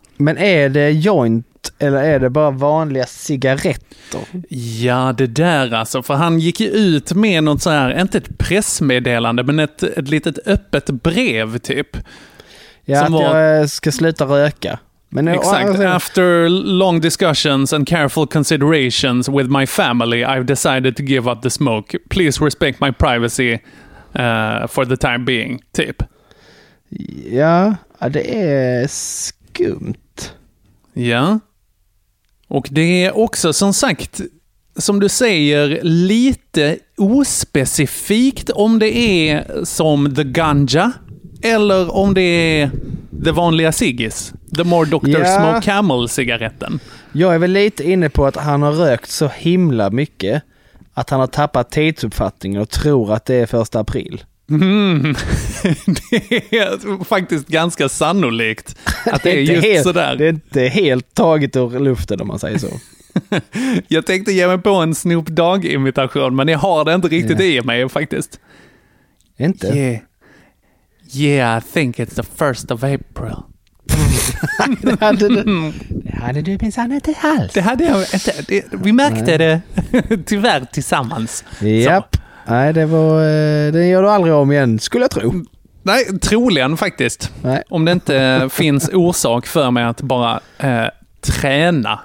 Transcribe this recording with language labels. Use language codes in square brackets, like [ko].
[sv] Men är det joint eller är det bara vanliga cigaretter? Ja, det där alltså. För han gick ju ut med något så här, inte ett pressmeddelande, men ett litet öppet brev typ. Ja, som att jag ska sluta röka. Men exakt. [en] After long discussions and careful considerations with my family, I've decided to give up the smoke. Please respect my privacy for the time being, typ. [sv] Ja. Ja, det är skumt. Ja. Och det är också, som sagt, som du säger, lite ospecifikt om det är som [en] the ganja [sv] eller om det är the vanliga ciggis. The more Dr. Ja. Smoke Camel-cigaretten. Jag är väl lite inne på att han har rökt så himla mycket att han har tappat tidsuppfattningen och tror att det är 1 april. Det är faktiskt ganska sannolikt att det är just helt, sådär. Det är inte helt taget ur luften om man säger så. Jag tänkte ge mig på en Snoop Dogg-imitation, men jag har det inte riktigt i mig faktiskt. Inte? [en] Yeah, I think it's the 1st of April. [sv] Det hade du minsann inte alls. Det hade jag inte. Vi märkte det tyvärr tillsammans. Japp. Yep. Nej, det gör du aldrig om igen, skulle jag tro. Nej, troligen faktiskt. Nej. Om det inte finns orsak för mig att bara träna